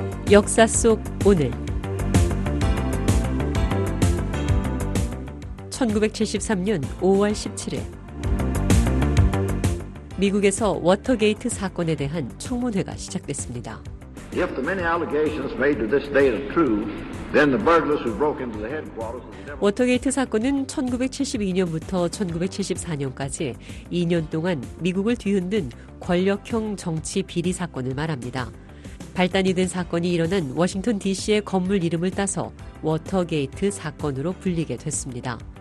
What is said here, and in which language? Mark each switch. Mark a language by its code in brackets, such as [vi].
[ko] 역사 속 오늘 1973년 5월 17일 미국에서 워터게이트 사건에 대한 청문회가 시작됐습니다. [en] If the many allegations made to this day are true, then the burglars who broke into the headquarters. [ko] 워터게이트 사건은 1972년부터 1974년까지 2년 동안 미국을 뒤흔든 권력형 정치 비리 사건을 말합니다. 발단이 된 사건이 일어난 워싱턴 DC의 건물 이름을 따서 워터게이트 사건으로 불리게 됐습니다.